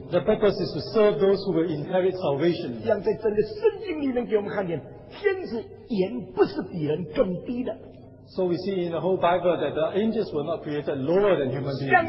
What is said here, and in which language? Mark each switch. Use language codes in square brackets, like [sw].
[en] the purpose is to serve those who will inherit salvation. [zh] 像在整个圣经里面给我们看见, 天使也不是比人更低的, [en] so we see in the whole Bible that the angels were not created lower than human beings.